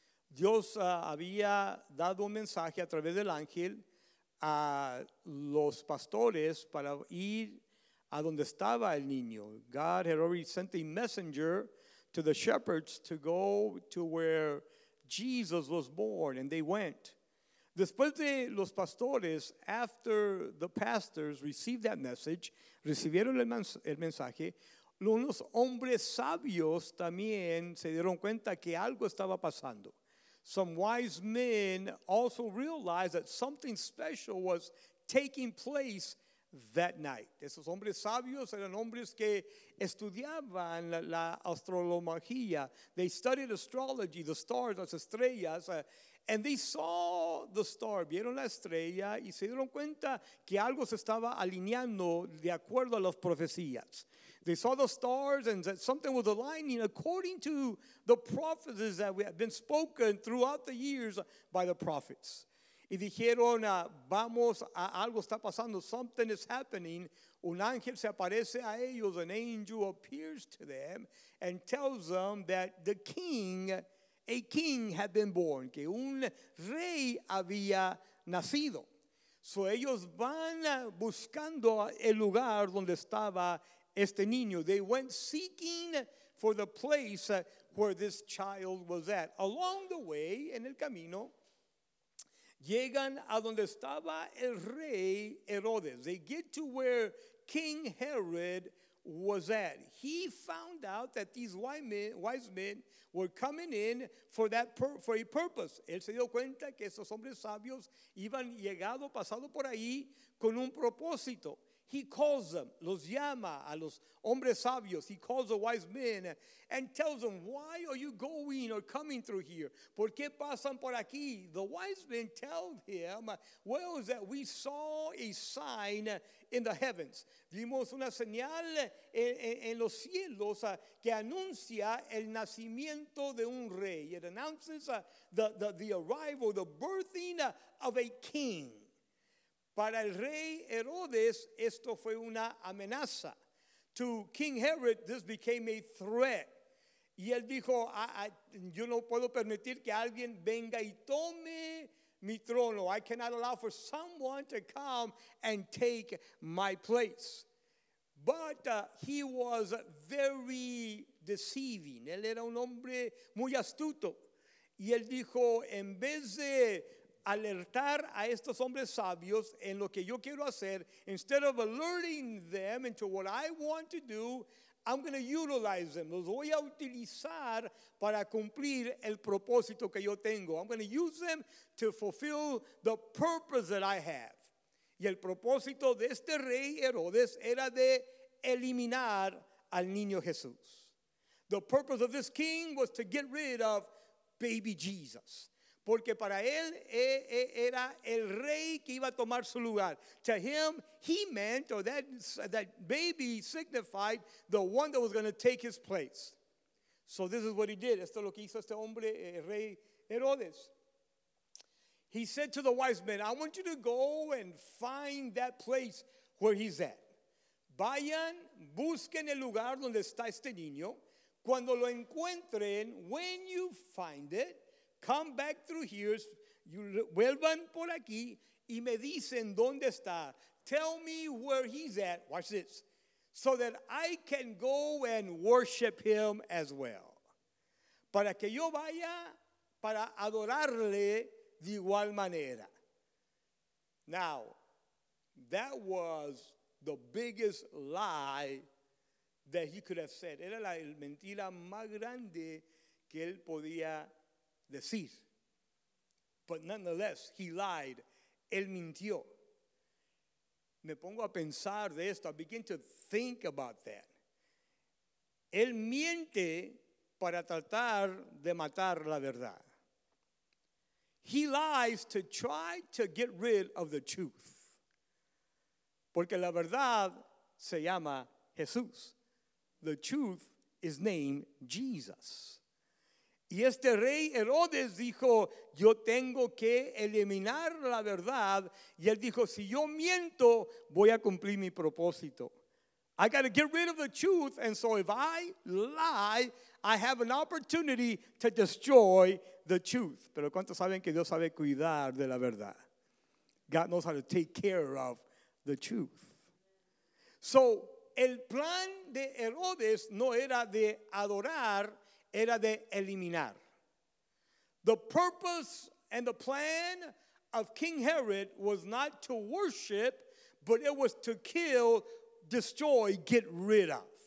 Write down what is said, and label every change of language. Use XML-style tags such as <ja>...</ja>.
<es>Dios había dado un mensaje a través del ángel a los pastores para ir a donde estaba el niño.</es> <en>God had already sent a messenger to the shepherds to go to where Jesus was born, and they went.</en> <es>Después de los pastores,</es> <en>after the pastors received that message,</en> <es>recibieron el mensaje, unos hombres sabios también se dieron cuenta que algo estaba pasando.</es> <en>Some wise men also realized that something special was taking place that night.</en> <es>Esos hombres sabios eran hombres que estudiaban la astrología.</es> <en>They studied astrology, the stars,</en> <es>las estrellas.</es> <en>And they saw the star,</en> <es>vieron la estrella, y se dieron cuenta que algo se estaba alineando de acuerdo a las profecías.</es> <en>They saw the stars and that something was aligning according to the prophecies that had been spoken throughout the years by the prophets.</en> <es>Y dijeron, vamos, algo está pasando,</es> <en>something is happening.</en> <es>Un ángel se aparece a ellos,</es> <en>an angel appears to them and tells them that a king had been born,</en> <es>que un rey había nacido. So ellos van buscando el lugar donde estaba este niño.</es> <en>They went seeking for the place where this child was at. Along the way,</en> <es>en el camino, llegan a donde estaba el rey Herodes.</es> <en>They get to where King Herod was at. He found out that these wise men were coming in for a purpose.</en> <es>Él se dio cuenta que esos hombres sabios iban llegado, pasado por ahí con un propósito.</es> <en>He calls them,</en> <es>los llama a los hombres sabios.</es> <en>He calls the wise men and tells them, why are you going or coming through here?</en> <es>¿Por qué pasan por aquí?</es> <en>The wise men tell him, well, is that we saw a sign in the heavens.</en> <es>Vimos una señal en los cielos que anuncia el nacimiento de un rey.</es> <en>It announces the arrival, the birthing of a king.</en> <es>Para el rey Herodes, esto fue una amenaza.</es> <en>To King Herod, this became a threat.</en> <es>Y él dijo, yo no puedo permitir que alguien venga y tome mi trono.</es> <en>I cannot allow for someone to come and take my place. But he was very deceiving.</en> <es>Él era un hombre muy astuto. Y él dijo, en vez de alertar a estos hombres sabios en lo que yo quiero hacer,</es> <en>instead of alerting them into what I want to do, I'm going to utilize them.</en> <es>Los voy a utilizar para cumplir el propósito que yo tengo.</es> <en>I'm going to use them to fulfill the purpose that I have.</en> <es>Y el propósito de este rey Herodes era de eliminar al niño Jesús.</es> <en>The purpose of this king was to get rid of baby Jesus.</en> <es>Porque para él era el rey que iba a tomar su lugar.</es> <en>To him, he meant, or that baby signified, the one that was going to take his place. So this is what he did.</en> <es>Esto es lo que hizo este hombre, el rey Herodes.</es> <en>He said to the wise men, I want you to go and find that place where he's at.</en> <es>Vayan, busquen el lugar donde está este niño. Cuando lo encuentren,</es> <en>when you find it, come back through here, you</en> <es>vuelvan por aquí y me dicen dónde está.</es> <en>Tell me where he's at, watch this, so that I can go and worship him as well.</en> <es>Para que yo vaya para adorarle de igual manera.</es> <en>Now, that was the biggest lie that he could have said.</en> <es>Era la mentira más grande que él podía decir.</es> <en>But nonetheless, he lied.</en> <es>Él mintió. Me pongo a pensar de esto.</es> <en>I begin to think about that.</en> <es>Él miente para tratar de matar la verdad.</es> <en>He lies to try to get rid of the truth.</en> <es>Porque la verdad se llama Jesús.</es> <en>The truth is named Jesus.</en> <es>Y este rey Herodes dijo, yo tengo que eliminar la verdad. Y él dijo, si yo miento, voy a cumplir mi propósito.</es> <en>I got to get rid of the truth. And so if I lie, I have an opportunity to destroy the truth.</en> <es>Pero ¿cuántos saben que Dios sabe cuidar de la verdad?</es> <en>God knows how to take care of the truth.</en> <es>So el plan de Herodes no era de adorar, era de eliminar.</es> <en>The purpose and the plan of King Herod was not to worship, but it was to kill, destroy, get rid of.</en>